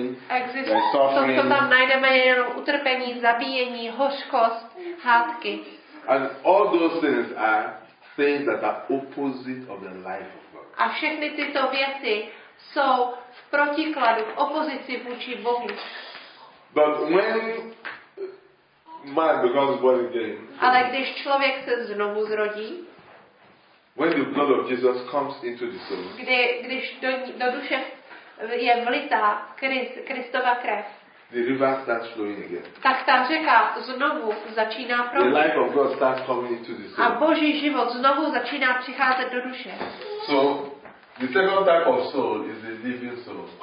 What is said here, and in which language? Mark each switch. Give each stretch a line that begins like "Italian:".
Czech: to tam najdeme jenom utrpení, zabíjení, hořkost, hádky.
English: And all those things are things that are opposite of the life of God.
Czech: A všechny tyto věci jsou v protikladu, v opozici vůči Bohu.
English: But when man becomes born again.
Czech: Ale když člověk se znovu zrodí.
English: When the blood of Jesus comes into the soul.
Czech: Když do duše je vlita Kristova krev.
English: The river starts flowing again.
Czech: Tak ta řeka znovu začíná proudit.
English: The life of God starts coming into the soul.
Czech: A Boží život znovu začíná přicházet do duše.
English: So the second type of soul is the living soul.